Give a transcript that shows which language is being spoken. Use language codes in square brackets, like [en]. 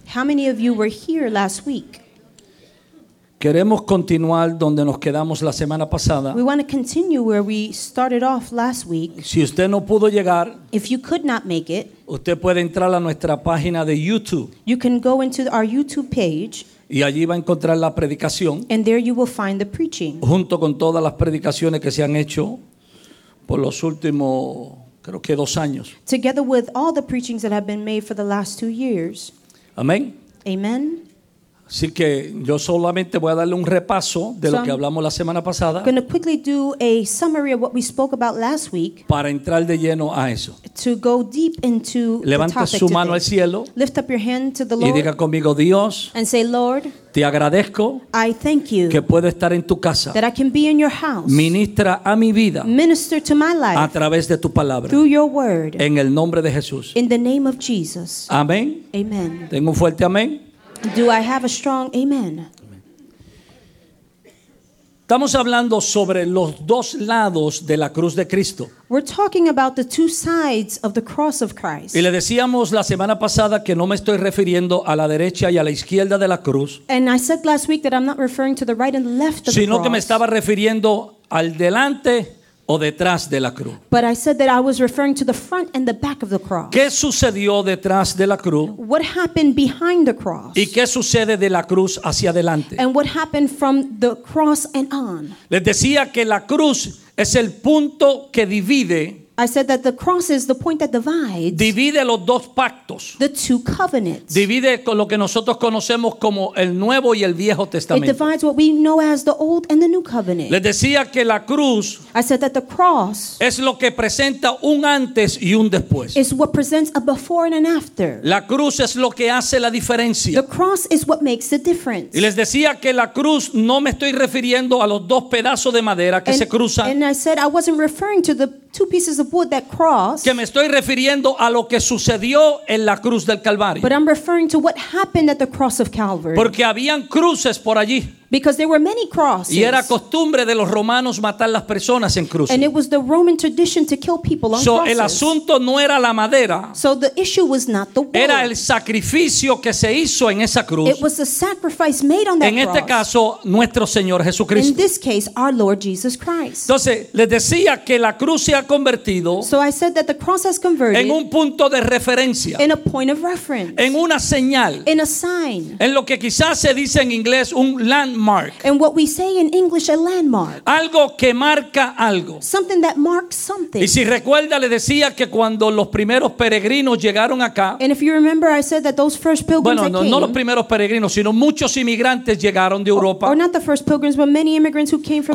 [en] How many of you were here last week? [es] Queremos continuar donde nos quedamos la semana pasada. [en] We want to continue where we started off last week. [es] Si usted no pudo llegar, [en] if you could not make it, [es] usted puede entrar a nuestra página de YouTube. [en] You can go into our YouTube page. [es] Y allí va a encontrar la predicación. [en] And there you will find the preaching. [es] Junto con todas las predicaciones que se han hecho por los últimos, creo que 2 años. [en] Together with all the preachings that have been made for the last 2 years. [es] Amén. [en] Amen. [es] Así que yo solamente voy a darle un repaso de lo que hablamos la semana pasada. [en] I'm going to quickly do a summary of what we spoke about last week. [es] Para entrar de lleno a eso. [en] To go deep into the topic. [es] Levanta su mano [en] today [es] al cielo. [en] Lift up your hand to the Lord. [es] Y diga conmigo, Dios. [en] And say, Lord. [es] Te agradezco. [en] I thank you. [es] Que puedo estar en tu casa. [en] That I can be in your house. [es] Ministra a mi vida. [en] Minister to my life. [es] A través de tu palabra. [en] Through your word. [es] En el nombre de Jesús. [en] In the name of Jesus. [es] Amén. [en] Amen. [es] Tengo un fuerte amén. [en] Do I have a strong amen? [es] Estamos hablando sobre los dos lados de la cruz de Cristo. [en] We're talking about the two sides of the cross of Christ. [es] Y le decíamos la semana pasada que no me estoy refiriendo a la derecha y a la izquierda de la cruz. [en] And I said last week that I'm not referring to the right and the left of the cross. [es] Sino que me estaba refiriendo al delante o detrás de la cruz. [en] But I said that I was referring to the front and the back of the cross. [es] ¿Qué sucedió detrás de la cruz? [en] What happened behind the cross? [es] ¿Y qué sucede de la cruz hacia adelante? [en] And what happened from the cross and on? [es] Les decía que la cruz es el punto que divide. [en] I said that the cross is the point that divides. [es] Divide los dos pactos. [en] The two covenants. [es] Divide con lo que nosotros conocemos como el Nuevo y el Viejo Testamento. [en] It divides what we know as the Old and the New Covenant. [es] Les decía que la cruz. [en] I said that the cross. [es] Es lo que presenta un antes y un después. [en] Is what presents a before and an after. [es] La cruz es lo que hace la diferencia. [en] The cross is what makes the difference. [es] Y les decía que la cruz no me estoy refiriendo a los dos pedazos de madera que [en] and, [es] se cruzan. [en] And I said I wasn't referring to the two pieces of wood that cross, [es] que me estoy refiriendo a lo que sucedió en la cruz del Calvario. [en] But I'm referring to what happened at the cross of Calvary. [es] Porque habían cruces por allí. [en] Because there were many crosses. [es] Y era costumbre de los romanos matar las personas en cruces. [en] And it was the Roman tradition to kill people on crosses. [es] So el asunto no era la madera. [en] So the issue was not the wood. [es] Era el sacrificio que se hizo en esa cruz. [en] It was the sacrifice made on that [es] en [en] cross. [es] Este caso, nuestro Señor Jesucristo. [en] In this case, our Lord Jesus Christ. [es] Entonces, les decía que la cruz se ha convertido. [en] So I said that the cross has converted. [es] En un punto de referencia. [en] In a point of reference. [es] En una señal. [en] In a sign. [es] En lo que quizás se dice en inglés un landmark. [en] Mark. And what we say in English, a landmark. [es] Algo que marca algo. [en] Something that marks something. [es] Y si recuerda, le decía que cuando los primeros peregrinos llegaron acá. [en] And if you remember, I said that those first pilgrims [es] bueno, [en] that [es] no, [en] came. [es] No los primeros peregrinos, sino muchos inmigrantes llegaron de Europa. [en] Or not the first pilgrims, but many immigrants who came from